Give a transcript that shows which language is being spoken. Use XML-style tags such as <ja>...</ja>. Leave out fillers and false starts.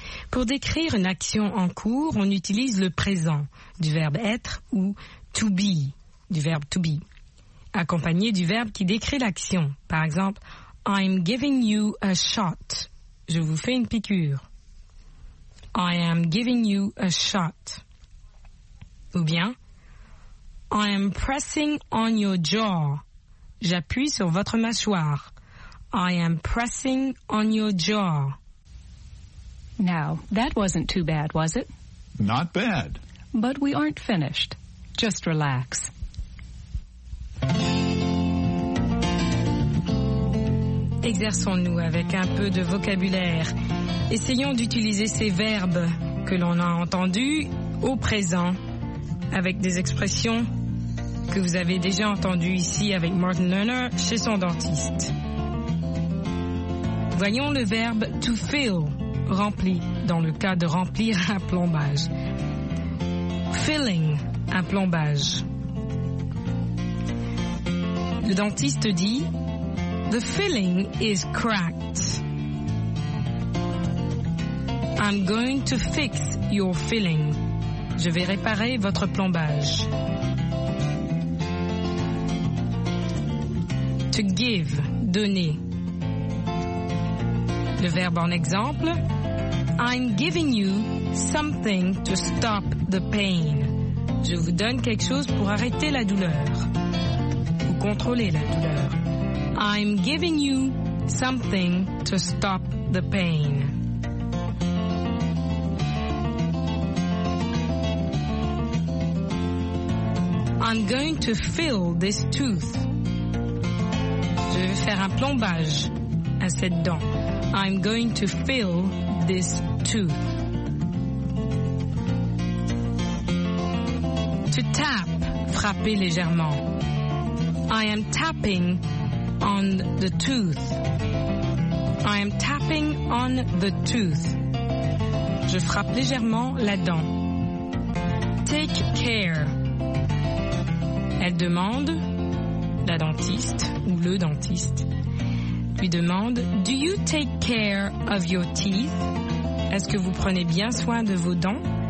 <fr>Pour décrire une action en cours, on utilise le présent du verbe être ou to be, du verbe to be, accompagné du verbe qui décrit l'action.</fr> <en>Par exemple, I'm giving you a shot.</en> <fr>Je vous fais une piqûre.</fr> <en>I am giving you a shot. Ou bien, I am pressing on your jaw.</en> <fr>J'appuie sur votre mâchoire.</fr> <en>I am pressing on your jaw. Now, that wasn't too bad, was it? Not bad. But we aren't finished. Just relax.</en> <fr>Exerçons-nous avec un peu de vocabulaire. Essayons d'utiliser ces verbes que l'on a entendus au présent avec des expressions que vous avez déjà entendues ici avec Martin Lerner chez son dentiste. Voyons le verbe to fill, rempli, dans le cas de remplir un plombage. Filling, un plombage. Le dentiste dit,</fr> <en>the filling is cracked. I'm going to fix your filling.</en> <fr>Je vais réparer votre plombage. To give, donner. Le verbe en exemple,</fr> <en>I'm giving you something to stop the pain.</en> <fr>Je vous donne quelque chose pour arrêter la douleur. Ou contrôler la douleur.</fr> <en>I'm giving you something to stop the pain. I'm going to fill this tooth.</en> <fr>Je vais faire un plombage à cette dent.</fr> <en>I'm going to fill this tooth.</en> <fr>To tap, frapper légèrement.</fr> <en>I am tapping on the tooth. I am tapping on the tooth.</en> <fr>Je frappe légèrement la dent. Take care. Elle demande, la dentiste ou le dentiste, lui demande,</fr> <en>do you take care of your teeth?</en> <fr>Est-ce que vous prenez bien soin de vos dents?</fr>